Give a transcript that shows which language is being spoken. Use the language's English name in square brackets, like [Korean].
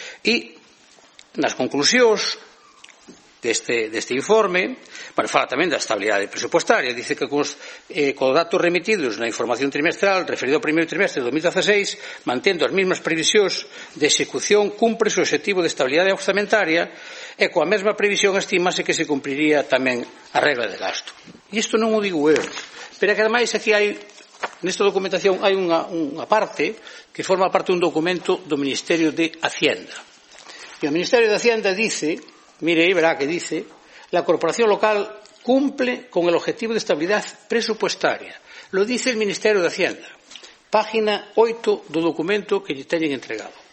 [Galician] E nas conclusións deste informe, bueno, fala tamén da estabilidade presupuestaria, dice que con os datos remitidos na información trimestral referido ao primeiro trimestre de 2016, mantendo as mesmas previsións de execución, cumpre o objetivo de estabilidade orzamentaria e coa mesma previsión estimase que se cumpriría tamén a regla de gasto. E isto non o digo eu, pero que ademais aquí hai, nesta documentación hai unha parte que forma parte dun documento do Ministerio de Hacienda. E o Ministerio de Hacienda dice, mire, verá que dice, [Spanish] la corporación local cumple con el objetivo de estabilidad presupuestaria. Lo dice el Ministerio de Hacienda. [Galician] Página 8 do documento que lle teñen entregado.